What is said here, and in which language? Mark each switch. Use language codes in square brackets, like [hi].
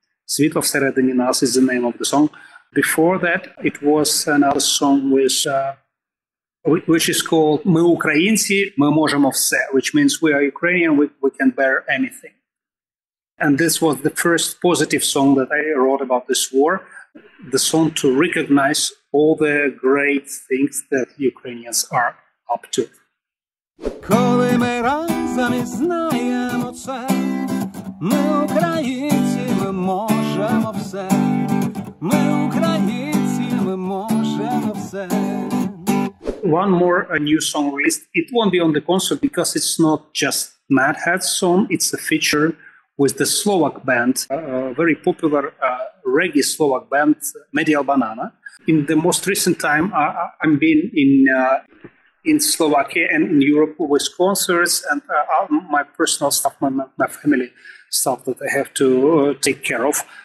[uk] Світло всередині нас [en] is the name of the song. Before that, it was another song which is called [uk] Ми українці, ми можемо все, [en] which means we are Ukrainian, we can bear anything. And this was the first positive song that I wrote about this war, the song to recognize all the great things that Ukrainians are up to. [uk] Коли ми разом і знаємо це, ми українці, ми можемо все. Ми українці, ми можемо все. [en] One more new song released. It won't be on the concert because it's not just Mad Hat's song. It's a feature with the Slovak band, a very popular reggae Slovak band, Medial Banana. In the most recent time, I've been in Slovakia and in Europe with concerts, and my personal stuff, my family stuff that I have to take care of.